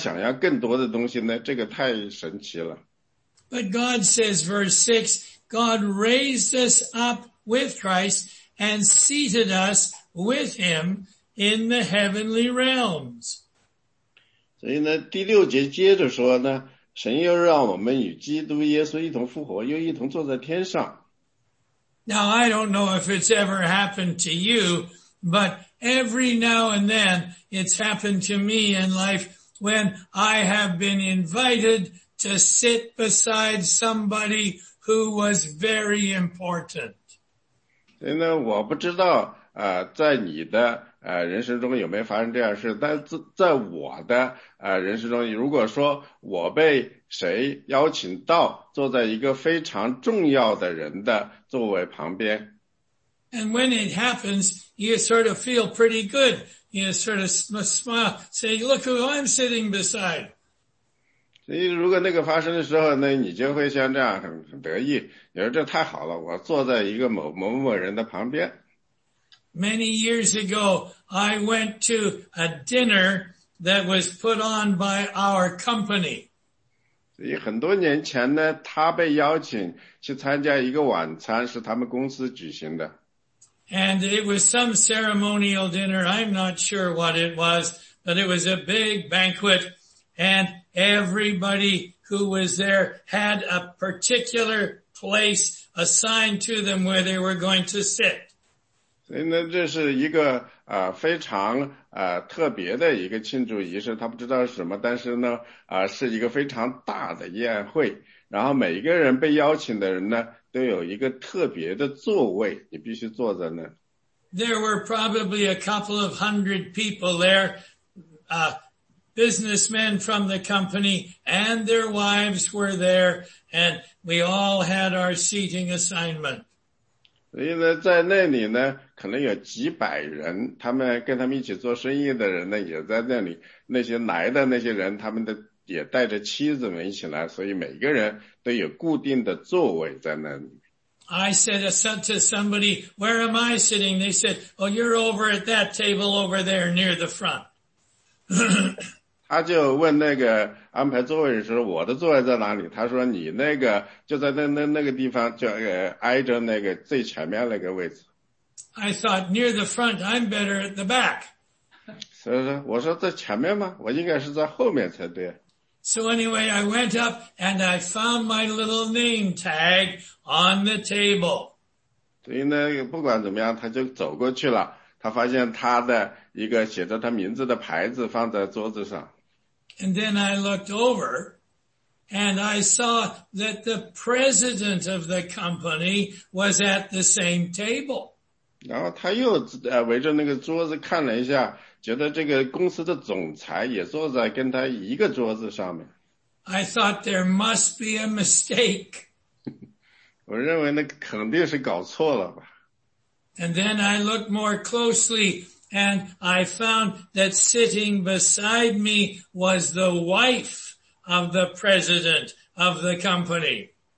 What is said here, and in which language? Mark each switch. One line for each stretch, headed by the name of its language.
Chinese: 如果神给你做的救你是做的是把你所有的罪都移去了，你会说呢，谁还想要更多的东西呢？这个太神奇了。
English: But God says, verse 6, God raised us up with Christ and seated us with him in the heavenly realms.
Chinese: 所以呢，第六节接着说呢，神又让我们与基督耶稣一同复活，又一同坐在天上。
English: Now, I don't know if it's ever happened to you, but every now and then it's happened to me in life when I have been invited to sit beside somebody who was very important.
Chinese: 所以呢，我不知道啊，在你的人生中有没有发生这样的事？但在我的人生中，如果说我被谁邀请到坐在一个非常重要的人的座位旁边。
English: And when it happens, you sort of feel pretty good. You sort of smile, say, look who I'm sitting beside.
Chinese: 所以如果那个发生的时候呢，你就会像这样很得意，你说这太好了，我坐在一个某人的旁边。
English: Many years ago, I went to a dinner that was put on by our company.
Chinese: 所以很多年前呢，他被邀请去参加一个晚餐，是他们公司举行的。
English: And it was some ceremonial dinner. I'm not sure what it was, but it was a big banquet. And everybody who was there had a particular place assigned to them where they were going to sit.
Chinese: 所以呢，这是一个非常特别的一个庆祝仪式。他不知道是什么，但是呢，是一个非常大的宴会。然后每一个人被邀请的人呢，都有一个特别的座位，你必须坐在那。
English: There were probably a couple of hundred people there, businessmen from the company and their wives were there, and we all had our seating assignment.
Chinese: 所以呢，在那里呢，可能有几百人，他们跟他们一起做生意的人呢，也在那里。那些来的那些人，他们的也带着妻子们一起来，所以每个人都有固定的座位在那里。
English: I said to somebody, where am I sitting? They said, oh, you're over at that table over there near the front.
Chinese: 他就问那个安排座位的时候，我的座位在哪里？他说你那个就在那个地方，就挨着那个最前面那个位置。
English: I thought, near the front, I'm better at the back.
Chinese: 所以说，我说在前面吗？我应该是在后面才对。
English: So anyway, I went up and I found my little name tag on the table.
Chinese: 所以呢，不管怎么样，他就走过去了。他发现他的一个写着他名字的牌子放在桌子上。
English: And then I looked over and I saw that the president of the company was at the same table.
Chinese: 然后他又围着那个桌子看了一下，觉得这个公司的总裁也坐在跟他一个桌子上面。
English: I thought there must be a mistake.
Chinese: 我认为那肯定是搞错了吧。
English: And then I looked more closely and I found that sitting beside me was the wife of the president of the company.